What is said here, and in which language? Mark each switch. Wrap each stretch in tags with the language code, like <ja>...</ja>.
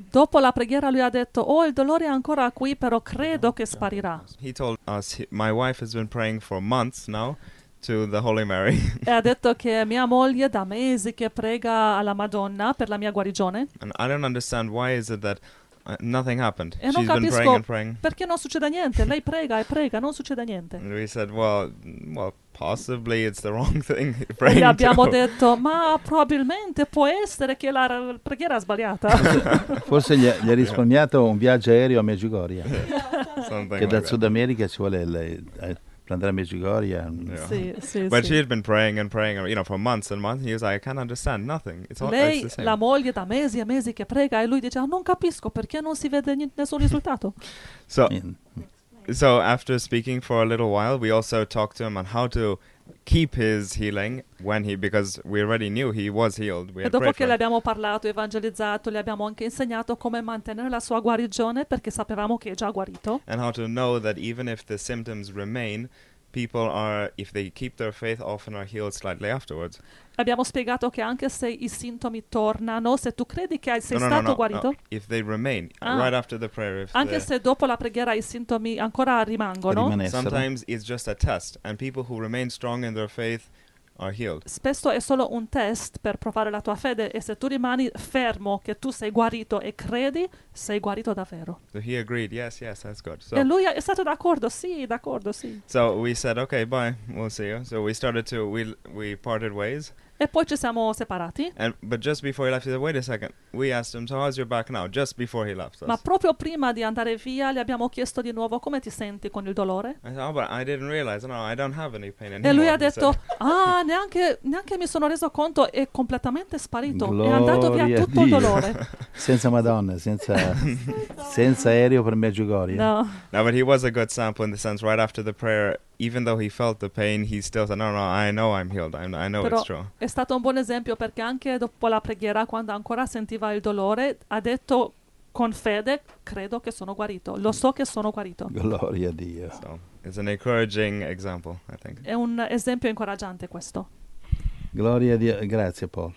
<it>Dopo la preghiera lui ha detto, oh, il dolore è ancora qui, però credo che sparirà.</it> <en>He told us, my wife has been praying for months now to the Holy Mary.</en> <it>E ha detto che mia moglie da mesi che prega alla Madonna per la mia guarigione.</it> <en>And I don't understand why is it that nothing happened.</en> <it>E</it> <en>she's been praying and praying.</en> <it>Perché non succede niente? Lei prega e prega, non succede niente.</it> <en>And we said, well, possibly it's the wrong thing. Praying</en> <it>e abbiamo detto, ma probabilmente può essere che la preghiera è sbagliata. Forse gli ha risparmiato un viaggio aereo a Medjugorje.</it> <en>Yeah. Something</en> <it>che</it> <en>like</en> <it>da</it> <en>that.</en> <it>Sud America ci vuole per andare a Medjugorje.</it> <en>Yeah.</en> <it>Sì, sì.</it> <en>But</en> <it>sì.</it> <en>She had been praying and praying, you know, for months and months. He was like, I can't understand nothing. It's all,</en> <it>lei,</it> <en>it's the same.</en> <it>La moglie da mesi e mesi che prega e lui diceva, non capisco perché non si vede nessun risultato.</it> <en>So. So after speaking for a little while, we also talked to him on how to keep his healing when he, because we already knew he was healed. We</en> <it>e dopo che le abbiamo parlato, evangelizzato, le abbiamo anche insegnato come mantenere la sua guarigione perché sapevamo che è già guarito.</it> <en>And how to know that even if the symptoms remain, people are, if they keep their faith, often are healed slightly afterwards.</en> <it>Abbiamo spiegato che anche se i sintomi tornano, se tu credi che sei stato guarito,</it> <en>if they remain right after the prayer, if</en> <it>anche se dopo la preghiera i sintomi ancora rimangono,</it> <en>sometimes it's just a test, and people who remain strong in their faith are healed.</en> <it>Spesso è solo un test per provare la tua fede, e se tu rimani fermo che tu sei guarito e credi, sei guarito davvero.</it> <en>So he agreed, yes, yes, that's good. So</en> <it>e lui è stato d'accordo, sì, d'accordo, sì.</it> <en>So we said, okay, bye, we'll see you. So we started to, we parted ways.</en> <it>E poi ci siamo separati.</it> <en>And, but just before he left, he said, wait a second, we asked him, so how's your back now? Just before he left us.</en> <it>Ma proprio prima di andare via, gli abbiamo chiesto di nuovo, come ti senti con il dolore?</it> <en>I said, oh, but I didn't realize, no, I don't have any pain anymore.</en> <it>E lui ha detto, ah, neanche mi sono reso conto, è completamente sparito. Gloria, è andato via tutto il dolore. Senza Madonna, senza senza aereo per Medjugorje. No.</it> <en>No, but he was a good sample in the sense, right after the prayer, even though he felt the pain, he still said, no, I know I'm healed, I know. it's true.</en> <it>È stato un buon esempio perché anche dopo la preghiera, quando ancora sentiva il dolore, ha detto con fede, credo che sono guarito, lo so che sono guarito. Gloria a Dio.</it> <en>So, it's an encouraging example, I think.</en> <it>È un esempio incoraggiante questo. Gloria a Dio, grazie Paul.</it>